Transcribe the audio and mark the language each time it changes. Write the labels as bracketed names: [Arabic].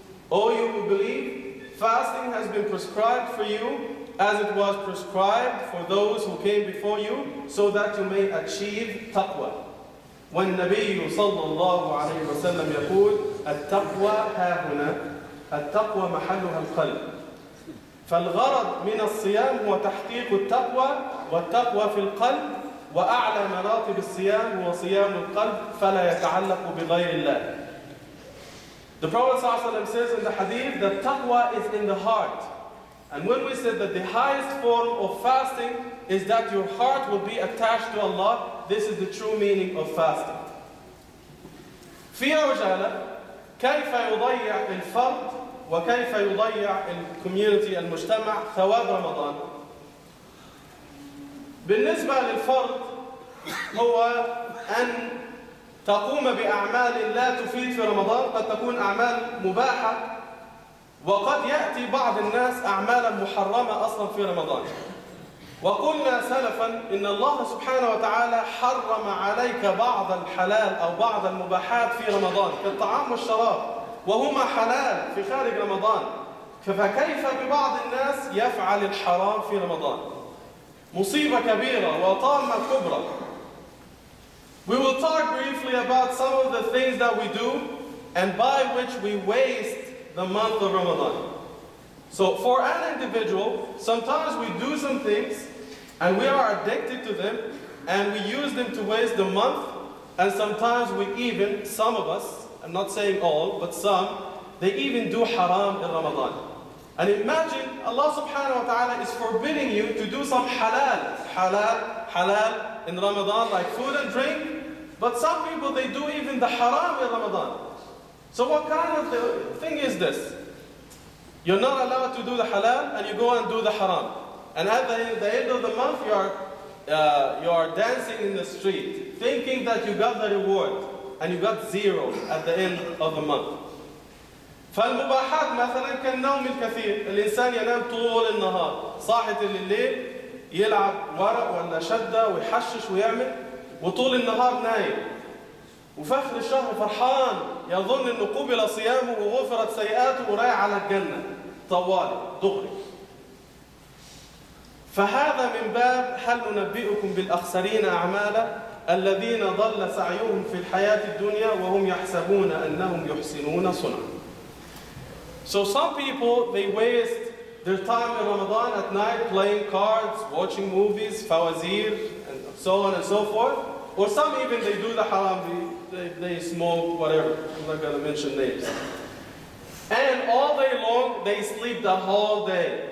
[English] Oh, you who believe, fasting has been prescribed for you as it was prescribed for those who came before you, so that you may achieve taqwa. [Arabic] والنبي صلى الله عليه وسلم يقول التقوى ها هنا، التقوى محلها القلب. فالغرض من الصيام هو تحقيق التقوى، والتقوى في القلب، وأعلى مراتب الصيام هو صيام القلب فلا يتعلق بغير الله. [English] The Prophet [Arabic] صلى الله عليه وسلم [English] says in the hadith that taqwa is in the heart. And when we said that the highest form of fasting is that your heart will be attached to Allah, this is the true meaning of fasting. [Arabic] في عجالة كيف يضيع الفرد وكيف يضيع الكوميونتي المجتمع ثواب رمضان. بالنسبة للفرد هو أن تقوم بأعمال لا تفيد في رمضان، قد تكون أعمال مباحة، وقد يأتي بعض الناس أعمالا محرمة أصلا في رمضان. وقلنا سلفا إن الله سبحانه وتعالى حرم عليك بعض الحلال أو بعض المباحات في رمضان كالطعام والشراب، وهما حلال في خارج رمضان، فكيف ببعض الناس يفعل الحرام في رمضان؟ مصيبة كبيرة وطامة كبرى. [English] We will talk briefly about some of the things that we do and by which we waste the month of Ramadan. So for an individual, sometimes we do some things and we are addicted to them and we use them to waste the month, and sometimes we even, some of us, I'm not saying all, but some, they even do haram in Ramadan. And imagine Allah subhanahu wa ta'ala is forbidding you to do some halal, halal, halal in Ramadan, like food and drink, but some people they do even the haram in Ramadan. So what kind of thing is this? You're not allowed to do the halal and you go and do the haram. And at the end of the month you are dancing in the street thinking that you got the reward and you got zero at the end of the month. [Arabic] فالمباحات مثلا كالنوم الكثير، الإنسان ينام طول النهار، صاحي طول الليل يلعب ورق ولا شدة ويحشش ويعمل، وطول النهار نايم. وفي آخر الشهر فرحان يظن انه قبل صيامه وغفرت سيئاته ورايح على الجنه. طوالي دغري. فهذا من باب هل ننبئكم بالأخسرين أعمالا الذين ضل سعيهم في الحياة الدنيا وهم يحسبون أنهم يحسنون صنعا. [English] So some people, they waste their time in Ramadan at night playing cards, watching movies, fawazir, and so on and so forth. Or some even, they do the haram, they smoke, whatever. I'm not going to mention names. And all day long, they sleep the whole day.